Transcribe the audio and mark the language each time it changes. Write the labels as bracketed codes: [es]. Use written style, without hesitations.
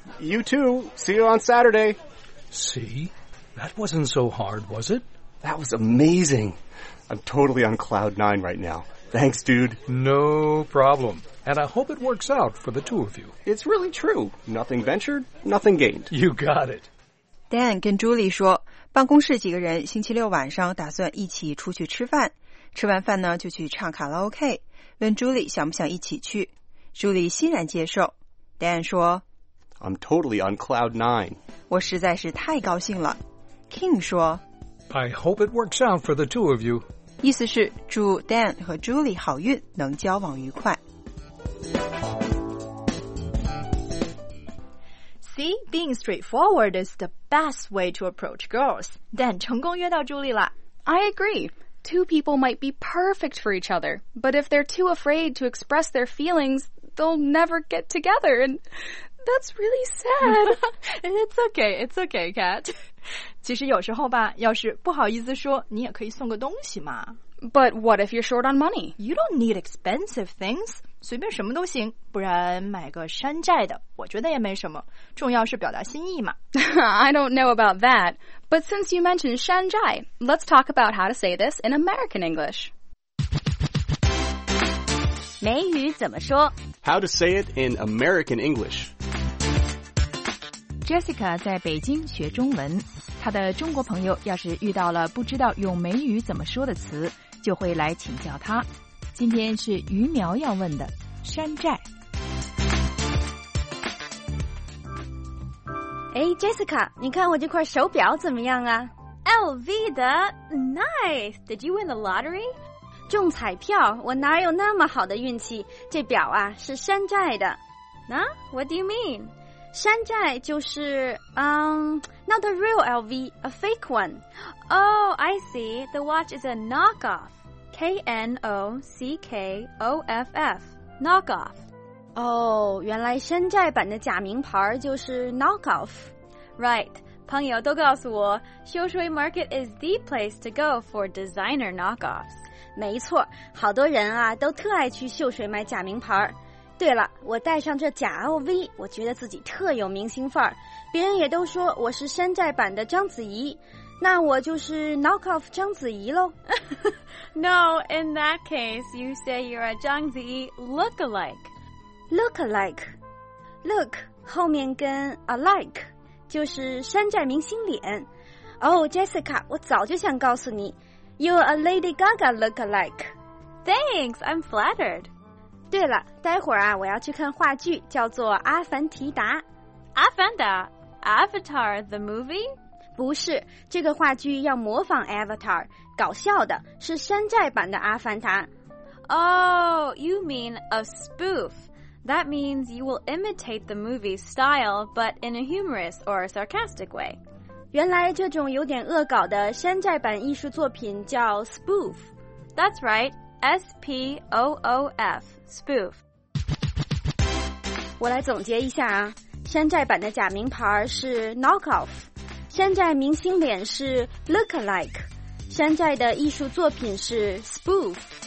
[en] You too. See you on Saturday. See? That wasn't so hard, was it? That was amazing. I'm totally on cloud nine right now. Thanks, dude. No problem. And I hope it works out for the two of you. It's really true. Nothing ventured, nothing gained. You got it. [zh] Dan 跟 Julie 说，办公室几个人星期六晚上打算一起出去吃饭，吃完饭呢就去唱卡拉 OK， 问 Julie 想不想一起去。 Julie 欣然接受。Dan 说， [en] I'm totally on cloud nine， [zh] 我实在是太高兴了。King 说， [en] I hope it works out for the two of you， [zh] 意思是祝 Dan 和 Julie 好运，能交往愉快。 [en] See, being straightforward is the best way to approach girls. [zh] Dan 成功约到 Julie 了。 [en] I agree. Two people might be perfect for each other, but if they're too afraid to express their feelings, they'll never get together, and that's really sad. It's okay, Kat. [zh] 其实有时候吧，要是不好意思说，你也可以送个东西嘛。 [en] But what if you're short on money? You don't need expensive things. [zh] 随便什么都行，不然买个山寨的，我觉得也没什么。重要是表达心意嘛。 [en] I don't know about that. But since you mentioned 山寨, let's talk about how to say this in American English. [zh] 美语怎么说？ [en] How to say it in American English. [zh] Jessica 在北京学中文。他的中国朋友要是遇到了不知道用美语怎么说的词，就会来请教他。今天是鱼苗要问的山寨。哎 ，Jessica， 你看我这块手表怎么样啊 [en] ？LV 的 ，Nice。Did you win the lottery？ [zh] 中彩票？我哪有那么好的运气？这表啊是山寨的。 [en] 那、What do you mean？ [zh] 山寨就是 [en] not a real LV, a fake one. Oh, I see. The watch is a knockoff. K-N-O-C-K-O-F-F. Knockoff. [zh] Oh, 原来山寨版的假名牌就是 knockoff. [en] Right. [zh] 朋友都告诉我 [en] ,Xiaoshui Market is the place to go for designer knockoffs. [zh] 没错，好多人啊都特爱去秀水买假名牌。对了，我戴上这假 LV， 我觉得自己特有明星范儿，别人也都说我是山寨版的章子怡，那我就是 knockoff 章子怡喽。 [en] No, in that case, you say you're a 章子怡 lookalike. [zh] Lookalike, look 后面跟 alike 就是山寨明星脸。 [en] Oh, Jessica, [zh] 我早就想告诉你 [en] ，you're a Lady Gaga lookalike. Thanks, I'm flattered. [zh] 对了，待会儿啊，我要去看话剧，叫做《阿凡提达》。 [en] 阿凡达 ？Avatar the movie？ [zh] 不是，这个话剧要模仿 Avatar， 搞笑的，是山寨版的阿凡达。 [en] Oh, you mean a spoof. That means you will imitate the movie's style, but in a humorous or sarcastic way. [zh] 原来这种有点恶搞的山寨版艺术作品叫 spoof。 [en] That's right, S-P-O-O-F. Spoof. [zh] 我来总结一下啊，山寨版的假名牌是 knockoff， 山寨明星脸是 lookalike， 山寨的艺术作品是 spoof。